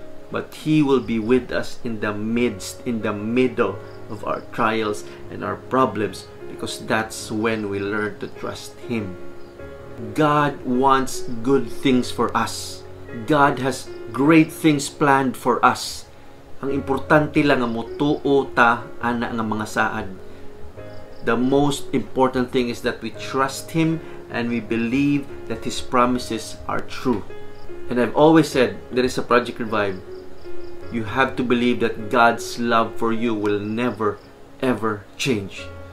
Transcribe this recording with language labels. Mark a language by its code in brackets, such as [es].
[en] But He will be with us in the middle of our trials and our problems, because that's when we learn to trust Him. God wants good things for us. God has great things planned for us. [ceb] Ang importante lang nga motuo ta ana nga mga saad. [en] The most important thing is that we trust Him and we believe that His promises are true. And I've always said, there is a Project Revive. You have to believe that God's love for you will never, ever change.